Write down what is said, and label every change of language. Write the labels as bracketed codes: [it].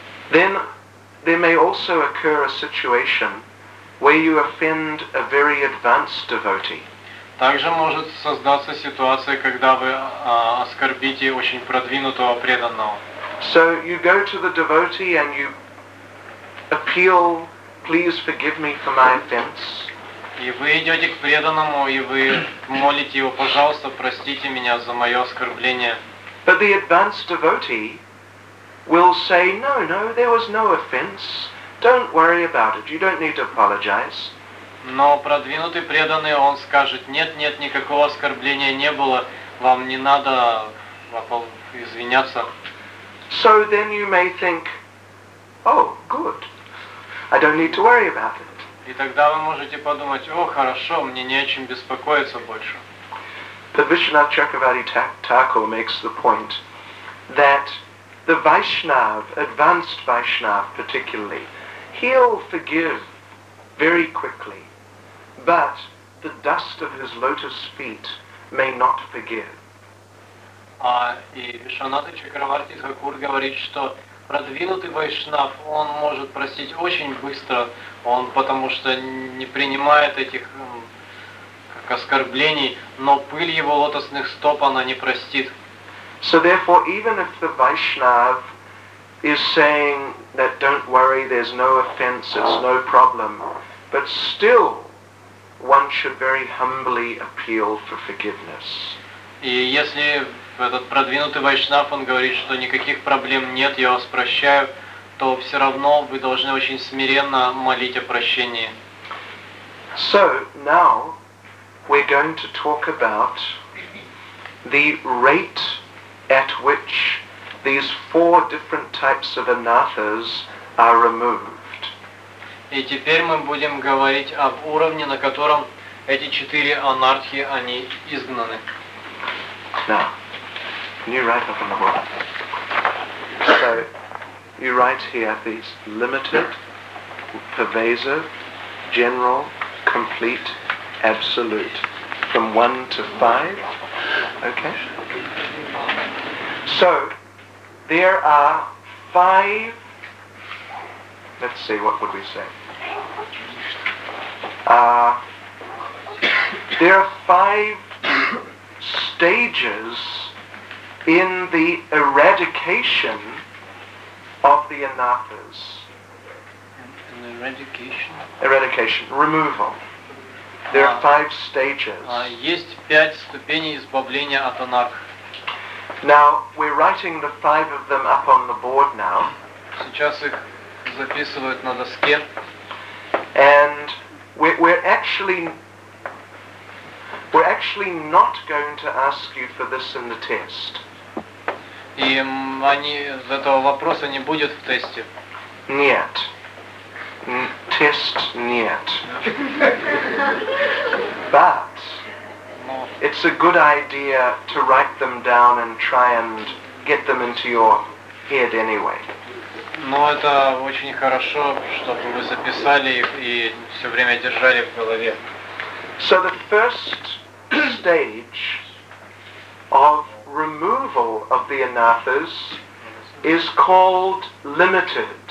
[en] Then there may also occur a situation where you offend a very advanced devotee. [ru] Также может создаться ситуация, когда вы оскорбите очень продвинутого преданного. [en] So you go to the devotee and you appeal, please forgive me for my offense. [ru] И вы идете к преданному, и вы молите его, пожалуйста, простите меня за мое оскорбление. [en] But the advanced devotee will say, no, there was no offense. don't worry about it, you don't need to apologize. [ru] Но продвинутый преданный, он скажет, нет, нет, никакого оскорбления не было, вам не надо извиняться. [en] So then you may think, oh, good, I don't need to worry about it. [ru] И тогда вы можете подумать, о, хорошо, мне не о чем беспокоиться больше. [en] But Vishwanath Chakravarti Thakur makes the point that the Vaishnav, advanced Vaishnav particularly, he'll forgive very quickly, but the dust of his lotus feet may not forgive. [ru] И Вишванатха Чакраварти Тхакур говорит, что продвинутый вайшнав, он может простить очень быстро, он потому что не принимает этих как оскорблений, но пыль его лотосных стоп она не простит. [en] So therefore, even if the Vaishnav is saying that don't worry, there's no offense, it's no problem, but still one should very humbly appeal for forgiveness. [ru] И если этот продвинутый вайшнав, он говорит, что никаких проблем нет, я вас прощаю, то все равно вы должны очень смиренно молить о прощении. [en] So now we're going to talk about the rate at which these four different types of anathas are removed. [ru] И теперь мы будем говорить об уровне, на котором эти четыре анархи, они изгнаны. [en] Now, can you write up on the board? So, you write here these limited, pervasive, general, complete, absolute, from 1 to 5, okay? So, there are five, let's see, what would we say? There are five stages in the eradication of the anathas. An eradication? Eradication, removal. There are five stages. [ru] Есть пять ступеней избавления от анарх. [en] Now, we're writing the five of them up on the board now. [ru] Сейчас их записывают на доске. [en] And we're actually not going to ask you for this in the test. [ru] И они, этого вопроса не будет в тесте. Нет. Тест нет. [en] But it's a good idea to write them down and try and get them into your head anyway. [ru] Но это очень хорошо, чтобы вы записали их и все время держали в голове. [en] So the first stage of removal of the anathas is called limited.